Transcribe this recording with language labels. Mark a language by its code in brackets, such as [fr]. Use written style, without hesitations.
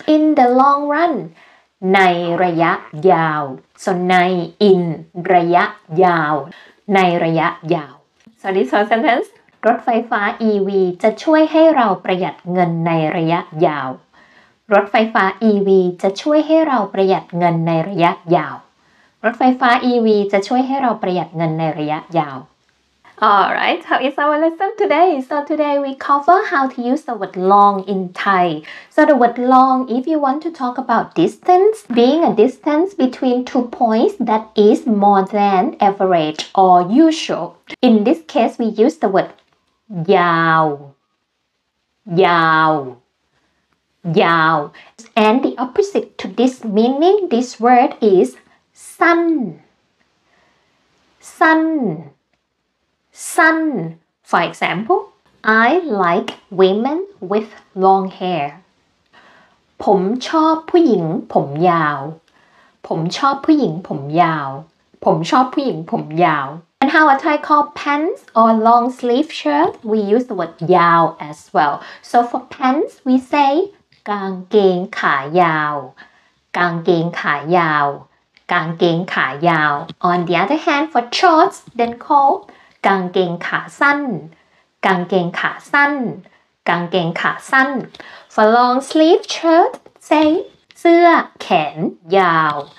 [en] In the long run, [th] ในระยะยาว So ใน in ระยะยาว ในระยะยาว [en] So this whole sentence [th] รถไฟฟ้า EV จะช่วยให้เราประหยัดเงินในระยะยาวรถไฟฟ้า EV จะช่วยให้เราประหยัดเงินในระยะยาวรถไฟฟ้า EV จะช่วยให้เราประหยัดเงินในระยะยาว [en] All right, how is our lesson today? So today we cover how to use the word long in Thai. So the word long, if you want to talk about distance, being a distance between two points that is more than average or usual. In this case, we use the word yaw. Yaw. Yaw. And the opposite to this meaning, this word is sun. Sun. Sun. For example, I like women with long hair. [th] ผมชอบผู้หญิงผมยาว. ผมชอบผู้หญิงผมยาว. ผมชอบผู้หญิงผมยาว. [en] And how a Thai call pants or long sleeve shirt, we use the word yaw as well. So for pants, we say [th] กางเกงขายาว. กางเกงขายาว. กางเกงขายาว. [en] On the other hand, for shorts, then call [th] กางเกงขาสั้นกางเกงขาสั้นกางเกงขาสั้น [en] for long sleeve shirt say [th] เสื้อแขนยาว